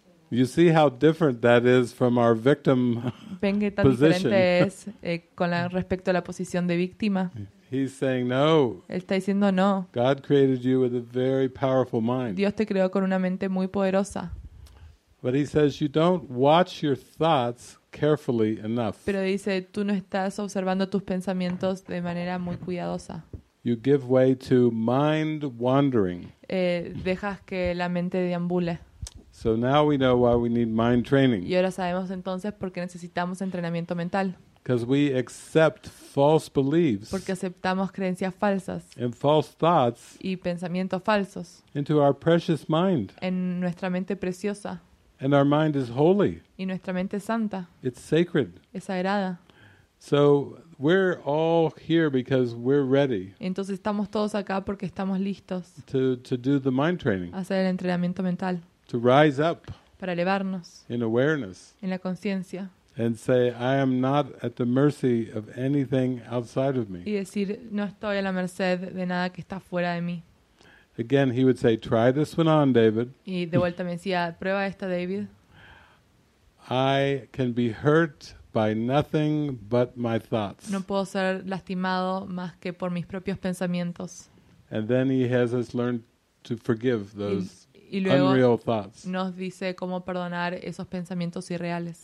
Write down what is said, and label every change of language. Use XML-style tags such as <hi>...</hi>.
<en>You see how different that is from our victim</en> <es>¿Ven qué tan</es> <en>position?</en> <es>Diferente es con respecto a la posición de víctima.</es> <en>He's saying no.</en> <es>Él está diciendo no.</es> <en>God created you with a very powerful mind.</en> <es>Dios te creó con una mente muy poderosa.</es> <en>But he says you don't watch your thoughts carefully enough.</en> <es>Pero dice tú no estás observando tus pensamientos de manera muy cuidadosa.</es> <en>You give way to mind wandering.</en> <es>Dejas que la mente deambule.</es> <en>So now we know why we need mind training.</en> <es>Y ahora sabemos entonces por qué necesitamos entrenamiento mental.</es> <en>Because we accept false beliefs.</en> <es>Porque aceptamos creencias falsas.</es> <en>And false thoughts.</en> <es>Y pensamientos falsos.</es> <en>Into our precious mind.</en> <es>En nuestra mente preciosa.</es> <en>And our mind is holy.</en> <es>Y nuestra mente es santa.</es> <en>It's sacred.</en> <es>Es sagrada.</es> <en>So we're all here because we're ready.</en> <es>Entonces estamos todos acá porque estamos listos.</es> <en>To do the mind training.</en> <es>Hacer el entrenamiento mental.</es> <en>To rise up.</en> <es>Para elevarnos.</es> <en>In awareness.</en> <es>En la conciencia.</es> <en>And say, I am not at the mercy of anything outside of me.</en> <es>Y decir, no estoy a la merced de nada que está fuera de mí.</es> <en>Again, he would say, try this one on, David.</en> <es>Y de vuelta me decía, prueba esta, David.</es> <en>I can be hurt by nothing but my thoughts.</en> <es>No puedo ser lastimado más que por mis propios pensamientos.</es> <en>And then he has us learn to forgive those unreal thoughts.</en> <es>Y luego nos dice cómo perdonar esos pensamientos irreales.</es>